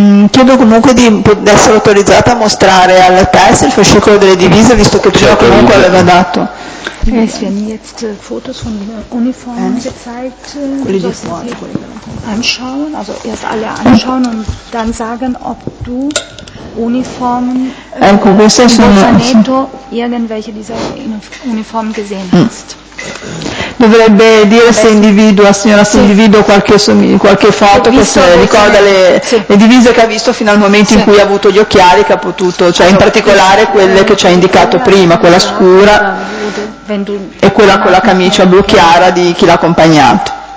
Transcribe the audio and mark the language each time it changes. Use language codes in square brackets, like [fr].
[it] Chiedo comunque di essere autorizzata a mostrare alla testa il fascicolo delle divise visto che prima comunque aveva dato. Sì, hanno [de] jetzt Fotos von Uniformen gezeigt. [it] Quelli di fuori. [de] Anschauen, also erst alle anschauen und dann sagen, ob du Uniformen. [it] Ecco, queste sono. [de] Bolzaneto, irgendwelche dieser Uniformen gesehen hast. [it] Dovrebbe dire se individua, signora, se individua qualche foto, visto, che se ricorda le divise che ha visto fino al momento in cui ha avuto gli occhiali, che ha potuto, cioè in particolare quelle che ci ha indicato prima, quella scura e quella con la camicia blu chiara di chi l'ha accompagnato.